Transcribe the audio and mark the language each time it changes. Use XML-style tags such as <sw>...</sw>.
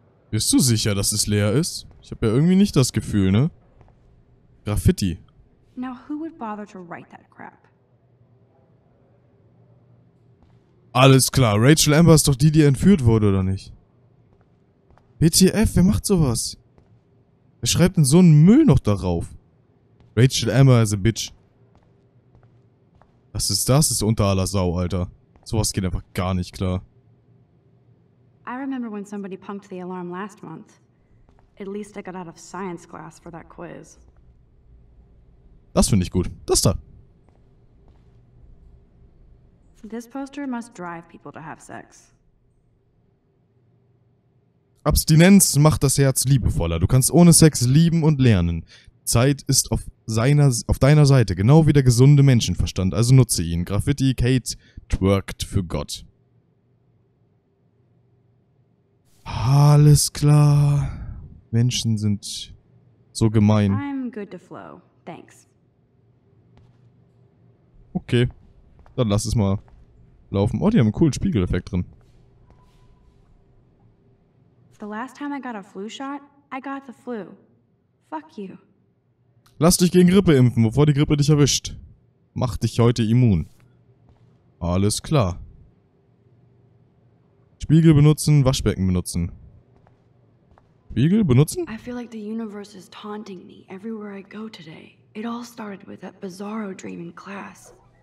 <de>Bist du sicher, dass es leer ist? Ich habe ja irgendwie nicht das Gefühl, ne? Graffiti.</de> <en>Now who would bother to write that crap?</en> <de>Alles klar, Rachel Amber ist doch die, die entführt wurde, oder nicht? WTF, wer macht sowas? Wer schreibt denn so einen Müll noch darauf?</de> <en>Rachel Amber is a bitch.</en> <de>Das ist unter aller Sau, Alter. Sowas geht einfach gar nicht klar.</de> <en>I remember when somebody punked the alarm last month. At least I got out of science class for that quiz.</en> <de>Das finde ich gut. Das da.</de> <en>This poster must drive people to have sex.</en> <de>Abstinenz macht das Herz liebevoller. Du kannst ohne Sex lieben und lernen. Zeit ist auf deiner Seite, genau wie der gesunde Menschenverstand. Also nutze ihn. Graffiti Kate twerkt für Gott. Alles klar. Menschen sind so gemein.</de> <en>I'm good to flow. Thanks.</en> <de>Okay. Dann lass es mal laufen. Oh, die haben einen coolen Spiegeleffekt drin.</de> <en>The last time I got a flu shot, I got the flu. Fuck you.</en> <de>Lass dich gegen Grippe impfen, bevor die Grippe dich erwischt. Mach dich heute immun. Alles klar. Spiegel benutzen, Waschbecken benutzen. Spiegel benutzen?</de> <en>I feel like the universe is taunting me everywhere I go today. It all started with that bizarro dream in class.</en>